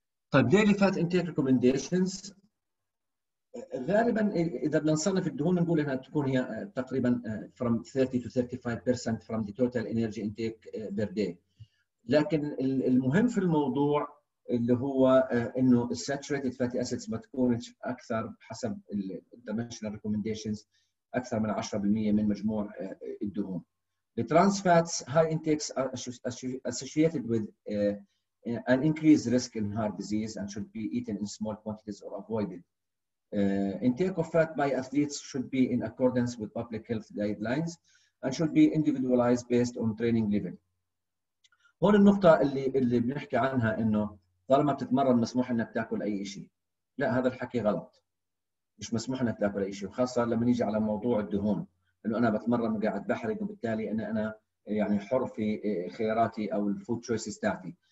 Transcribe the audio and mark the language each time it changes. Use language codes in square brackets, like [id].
[ar] طيب [en] daily fat intake recommendations، [ar] غالبا اذا بنصنف الدهون نقول انها تكون هي تقريبا [en] from 30 to 35% from the total energy intake per day، [ar] لكن المهم في الموضوع اللي هو انه [en] saturated fatty acids [ar] ما تكونش اكثر حسب [en] dimensional recommendations [ar] اكثر من 10% من مجموع الدهون. [en] The trans fats high intakes are associated with an increased risk in heart disease and should be eaten in small quantities or avoided. Intake of fat by athletes should be in accordance with public health guidelines and should be individualized based on training level. [ar] هون النقطة اللي بنحكي عنها إنه طالما بتتمرن مسموح إنك تأكل أي شيء. لا، هذا الحكي غلط. مش مسموح إنك تأكل أي شيء، وخاصة لما نيجي على موضوع الدهون، إنه أنا بتمرن وقاعد بحرق وبالتالي أنا يعني حر في خياراتي أو [en] الفود تشويسز [ar] تاعتي.